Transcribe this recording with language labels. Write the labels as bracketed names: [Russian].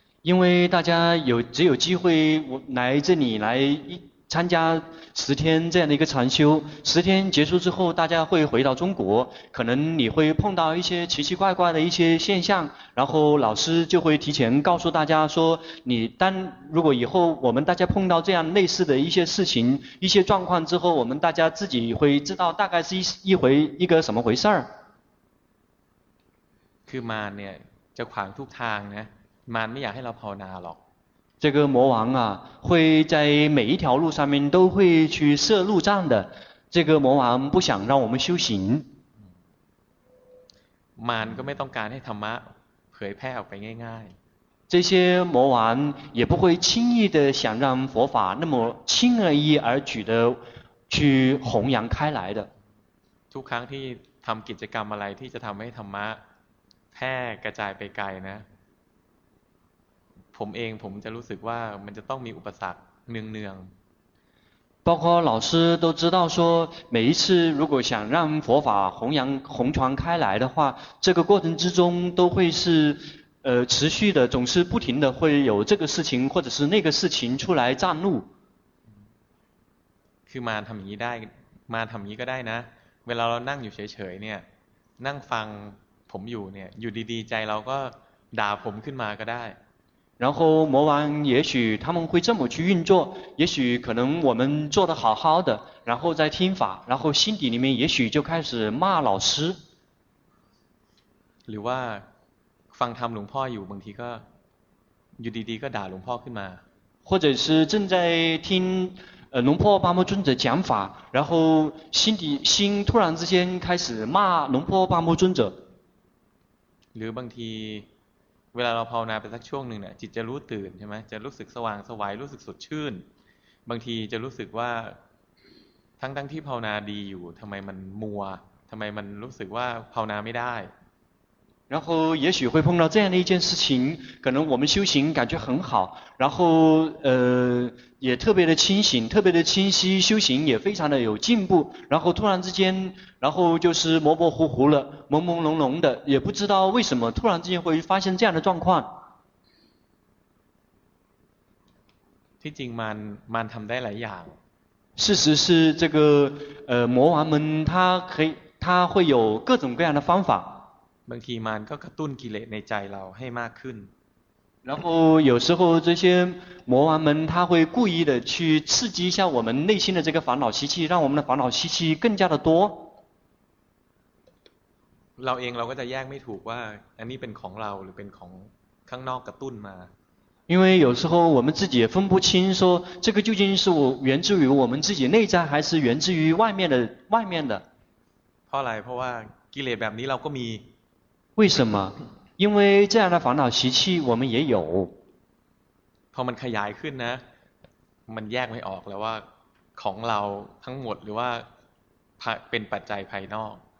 [Chinese] 因为大家只有机会来这里来参加十天这样的一个禅修十天结束之后大家会回到中国可能你会碰到一些奇奇怪怪的一些现象然后老师就会提前告诉大家说你当如果以后我们大家碰到这样类似的一些事情一些状况之后我们大家自己会知道大概是一个什么回事儿 [Thai] คือมาเนี่ยจะขวางทุกทางนะมันไม่อยากให้เราภาวนาหรอก [Chinese] 这个魔王啊会在每一条路上面都会去设路障的这个魔王不想让我们修行 [Thai] มันก็ไม่ต้องการให้ธรรมะเผยแพร่ออกไปง่าย [Chinese] ๆ这些魔王也不会轻易的想让佛法那么轻而易而举的去弘扬开来的 [Thai] ทุกครั้งที่ทำกิจกรรมอะไรที่จะทำให้ธรรมะแพร่กระจายไปไกลนะผมเองผมจะรู้สึกว่ามันจะต้องมีอุปสรรคเนือง [Chinese] ๆ包括老师都知道说每一次如果想让佛法弘传开来的话这个过程之中都会是持续的总是不停的会有这个事情或者是那个事情出来障路 [Thai] คือมาทำอย่างนี้ได้มาทำอย่างนี้ก็ได้นะเวลาเรานั่งอยู่เฉยๆเนี่ยนั่งฟังผมอยู่เนี่ยอยู่ดีๆใจเราก็ด่าผมขึ้นมาก็ได้ [Chinese] 然后魔王也许他们会这么去运作也许可能我们做得好好的然后再听法然后心底里面也许就开始骂老师 [Thai] หรือว่าฟังธรรมหลวงพ่ออยู่บางทีก็อยู่ดีๆก็ด่าหลวงพ่อขึ้นมา [Chinese] 或者是正在听龙婆巴摩尊者讲法然后心突然之间开始骂龙婆巴摩尊者 [Thai] หรือบางทีเวลาเราภาวนาไปสักช่วงหนึ่งเนี่ยจิตจะรู้ตื่นใช่ไหมจะรู้สึกสว่างสวัยรู้สึกสดชื่นบางทีจะรู้สึกว่าทั้งที่ภาวนาดีอยู่ทำไมมันมัวทำไมมันรู้สึกว่าภาวนาไม่ได้ [Chinese] 然后也许会碰到这样的一件事情可能我们修行感觉很好然后也特别的清醒特别的清晰修行也非常的有进步然后突然之间然后就是模模糊糊了朦朦胧胧的也不知道为什么突然之间会发现这样的状况 [Thai] ที่จริงมันทำได้หลายอย่าง [Chinese] 事实是这个魔王们他会有各种各样的方法 [Thai] บางทีมันก็กระตุ้นกิเลสในใจเราให้มากขึ้น [Chinese] 然后有时候这些魔王们他会故意的去刺激一下我们内心的这个烦恼习气，让我们的烦恼习气更加的多。 [Thai] เราเองเราก็จะแยกไม่ถูกว่าอันนี้เป็นของเราหรือเป็นของข้างนอกกระตุ้นมา [Chinese] 因为有时候我们自己也分不清说这个究竟是源自于我们自己内在还是源自于外面的 [Thai] เพราะอะไรเพราะว่ากิเลสแบบนี้เราก็มี [Chinese] 为什么因为这样的烦恼习气我们也有 [Thai] พอมันขยายขึ้นนะมันแยกไม่ออกแล้วว่าของเราทั้งหมดหรือว่าเป็นปัจจัยภายนอก